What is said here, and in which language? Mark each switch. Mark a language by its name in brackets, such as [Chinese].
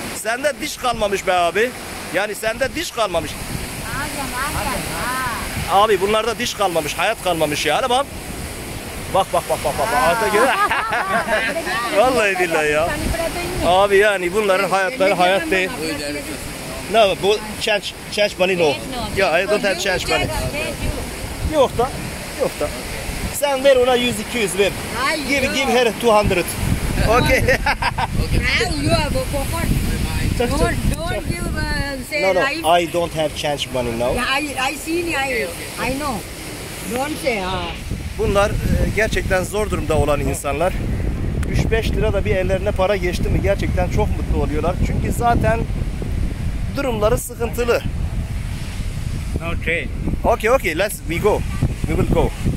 [Turkish] Sende diş kalmamış be abi. Yani sende diş kalmamış. Abi bunlarda diş kalmamış, hayat kalmamış ya. Hadi bak. Bak bak bak bak bak. Ağzına gir. Vallahi billahi ya. Abi yani bunların hayatları hayat değil. [English] No, [Turkish] bu [English] change money no. Yeah, I don't have change money. [Turkish] Yok da, yok da. Sen ver ona 100-200 ver. [English] Give her 200. Okay. Now you are for what? Don't give say no, no. I don't have change money now. I see me. I know. Don't say. [Turkish] Bunlar gerçekten zor durumda olan insanlar. 3-5 lira da bir ellerine para geçti mi gerçekten çok mutlu oluyorlar. Çünkü zaten durumları sıkıntılı. [English] No train. Okay, okay. Let's we go. We will go.